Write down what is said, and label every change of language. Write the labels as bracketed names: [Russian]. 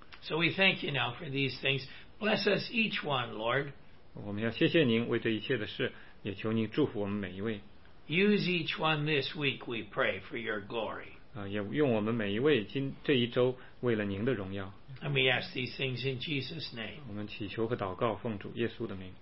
[English] So we thank you now for these things. Bless us each one, Lord. [Chinese] 我们要谢谢您为这一切的事，也求您祝福我们每一位。 [English] Use each one this week, we pray, for your glory. [Chinese] 也用我们每一位这一周为了您的荣耀。 [English] And we ask these things in Jesus' name. [Chinese] 我们祈求和祷告奉主耶稣的名。